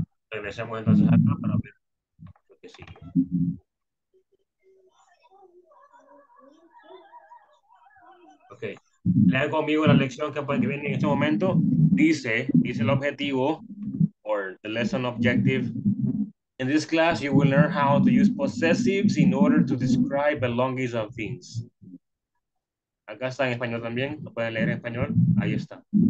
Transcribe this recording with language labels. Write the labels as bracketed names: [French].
[Spanish] Regresemos entonces acá para ver lo que sigue. Ok, lean conmigo la lección que puede venir en este momento. Dice el objetivo, [English] or the lesson objective. In this class, you will learn how to use possessives in order to describe belongings of things. [Spanish] Acá está en español también, lo pueden leer en español, ahí está.